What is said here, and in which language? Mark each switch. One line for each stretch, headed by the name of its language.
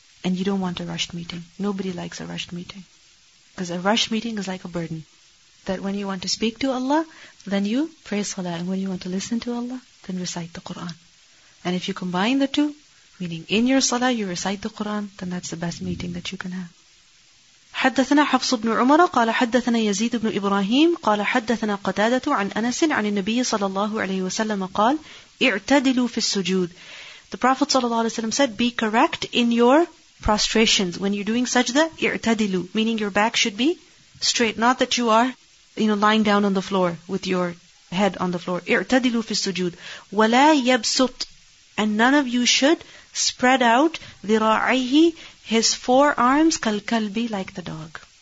English: And you don't want a rushed meeting. Nobody likes a rushed meeting. Because a rushed meeting is like a burden. That when you want to speak to Allah, then you pray salah. And when you want to listen to Allah, then recite the Quran. And if you combine the two, meaning in your salah you recite the Quran, then that's the best meeting that you can have.
Arabic: حدثنا حفص بن عمر قال حدثنا يزيد بن إبراهيم قال حدثنا قتادة عن أنس عن النبي صلى الله عليه وسلم قال اعتدلوا في السجود.
English: The Prophet ﷺ said, be correct in your prostrations. When you're doing sajda, i'tadilu, meaning your back should be straight. Not that you are, you know, lying down on the floor with your head on the floor.
Arabic: I'tadilu fi sujood. Wala yabsut.
English: And none of you should spread out dhira'ihi, his forearms, kal kalbi, like the dog.